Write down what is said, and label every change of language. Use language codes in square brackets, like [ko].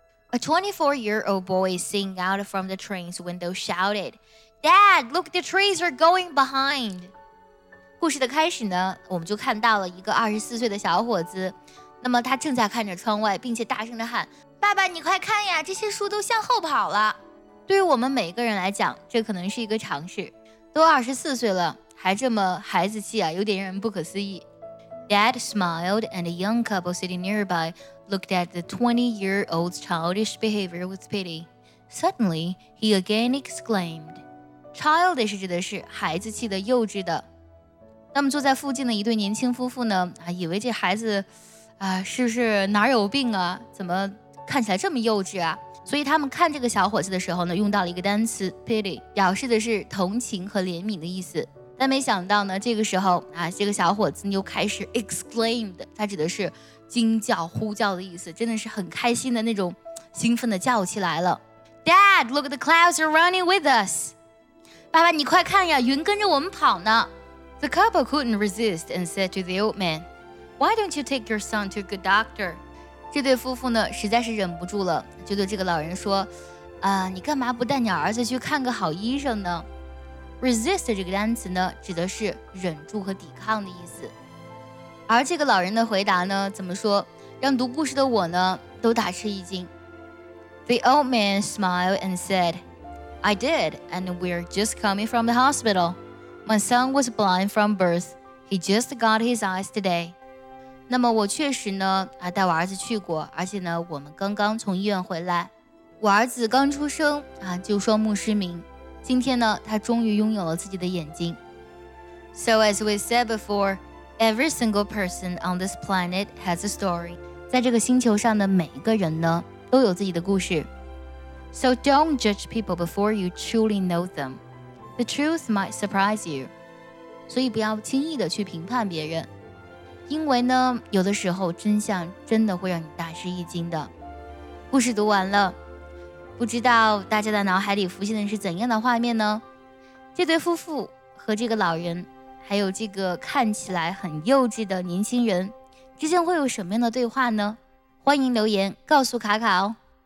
[en] A 24-year-old boy seeing out from the train's window shouted, "Dad, look, the trees are going behind." [zh] 故事的开始呢，我们就看到了一个24岁的小伙子。那么他正在看着窗外，并且大声地喊，爸爸你快看呀，这些树都向后跑了。对于我们每个人来讲，这可能是一个常识，都24岁了，还这么孩子气啊，有点让人不可思议。 [en] Dad smiled and a young couple sitting nearby looked at the 20-year-old's childish behavior with pity. Suddenly, he again exclaimed, childish [zh] 指的是孩子气的，幼稚的。那么坐在附近的一对年轻夫妇呢，以为这孩子啊，是不是哪有病啊，怎么看起来这么幼稚啊，所以他们看这个小伙子的时候呢，用到了一个单词 pity， 表示的是同情和怜悯的意思。但没想到呢，这个时候啊，这个小伙子又开始 exclaimed， 他指的是惊叫呼叫的意思，真的是很开心的那种兴奋的叫起来了。 [en] Dad, look at the clouds are running with us. [zh] 爸爸你快看呀，云跟着我们跑呢。 [en] The couple couldn't resist and said to the old man,Why don't you take your son to a good doctor? [zh] 这对夫妇呢，实在是忍不住了，就对这个老人说，你干嘛不带你儿子去看个好医生呢？ Resist 这个单词呢，指的是忍住和抵抗的意思。而这个老人的回答呢，怎么说，让读故事的我呢，都大吃一惊。 [en] The old man smiled and said, I did, and we're just coming from the hospital. My son was blind from birth. He just got his eyes today. [zh] 那么我确实呢带我儿子去过，而且呢我们刚刚从医院回来，我儿子刚出生就双目失明，今天呢他终于拥有了自己的眼睛。 [en] So as we said before, every single person on this planet has a story. [zh] 在这个星球上的每一个人呢都有自己的故事。 [en] So don't judge people before you truly know them. The truth might surprise you. [zh] 所以不要轻易的去评判别人，因为呢有的时候真相真的会让你大吃一惊的。故事读完了，不知道大家的脑海里浮现的是怎样的画面呢？这对夫妇和这个老人，还有这个看起来很幼稚的年轻人之间会有什么样的对话呢？欢迎留言告诉卡卡哦。